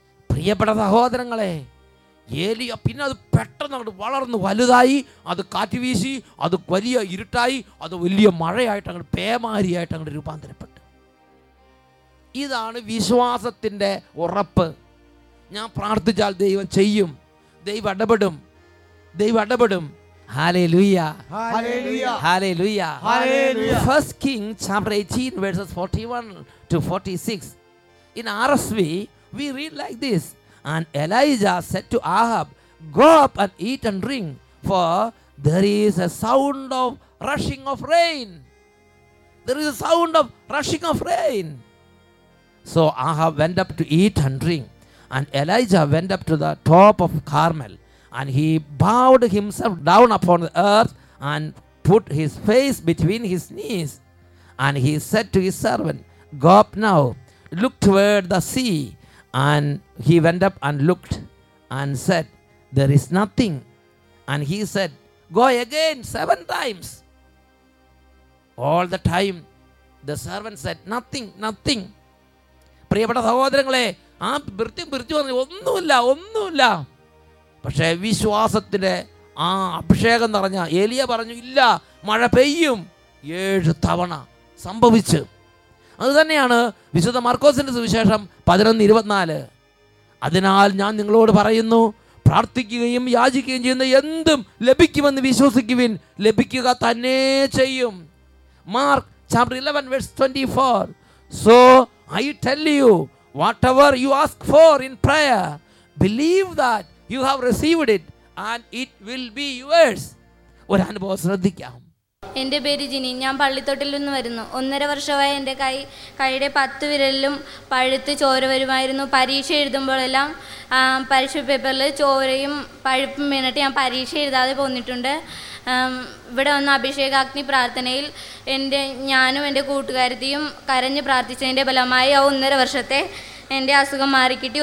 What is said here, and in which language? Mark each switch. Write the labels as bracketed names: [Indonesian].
[Malayalam] പ്രിയപ്പെട്ട സഹോദരങ്ങളെ, ഏലിയ പിന്നെ അത് പെട്ടെന്ന് അങ്ങോട്ട് വളർന്ന് വലുതായി, അത് കാറ്റ് വീശി, അത് വലിയ ഇരുട്ടായി, അത് വലിയ മഴയായിട്ട് അങ്ങോട്ട് പേമാരിയായിട്ട് അങ്ങോട്ട് രൂപാന്തരപ്പെട്ടു. ഇതാണ് വിശ്വാസത്തിൻ്റെ ഉറപ്പ്. ഞാൻ പ്രാർത്ഥിച്ചാൽ ദൈവം ചെയ്യും, ദൈവം ഇടപെടും, ദൈവം ഇടപെടും. [English] We read like this, and Elijah said to Ahab, go up and eat and drink, for there is a sound of rushing of rain. There is a sound of rushing of rain. So Ahab went up to eat and drink, and Elijah went up to the top of Carmel, and he bowed himself down upon the earth and put his face between his knees. And he said to his servant, "Go up now, look toward the sea." And he went up and looked and said, "There is nothing." And he said, "Go again 7 times. All the time the servant said, "Nothing, nothing." [Malayalam] പ്രിയപ്പെട്ട സഹോദരങ്ങളെ, ആ ഭൃത്യം പിരിച്ചു പറഞ്ഞു, ഒന്നുമില്ല ഒന്നുമില്ല. പക്ഷേ വിശ്വാസത്തിൻ്റെ ആ അഭിഷേകം നിറഞ്ഞ എലിയ പറഞ്ഞു, ഇല്ല, മഴ പെയ്യും. 7 തവണ സംഭവിച്ചു. അതുതന്നെയാണ് വിശുദ്ധ മാർക്കോസിൻ്റെ സുവിശേഷം 11:24. അതിനാൽ ഞാൻ നിങ്ങളോട് പറയുന്നു, പ്രാർത്ഥിക്കുകയും യാചിക്കുകയും ചെയ്യുന്ന എന്തും ലഭിക്കുമെന്ന് വിശ്വസിക്കുവിൻ, ലഭിക്കുക തന്നെ ചെയ്യും. [English] Mark 11:24. So I tell you, whatever you ask for in prayer, believe that you have received it and it will be yours. [Malayalam] ഒരനുഭവം ശ്രദ്ധിക്കാം. എൻ്റെ പേര് ജിനി. ഞാൻ പള്ളിത്തോട്ടിൽ നിന്ന് വരുന്നു. 1.5 വർഷമായി എൻ്റെ കൈയുടെ 10 വിരലിലും പഴുത്ത് ചോര വരുമായിരുന്നു. പരീക്ഷ എഴുതുമ്പോഴെല്ലാം പരീക്ഷ പേപ്പറിൽ ചോരയും പഴുപ്പും വീണിട്ട് ഞാൻ പരീക്ഷ എഴുതാതെ പോന്നിട്ടുണ്ട്. ഇവിടെ വന്ന അഭിഷേകാഗ്നി പ്രാർത്ഥനയിൽ ഞാനും എൻ്റെ കൂട്ടുകാരിയും കരഞ്ഞ് പ്രാർത്ഥിച്ചതിൻ്റെ ഫലമായി ആ 1.5 വർഷത്തെ എൻ്റെ അസുഖം മാറിക്കിട്ടി.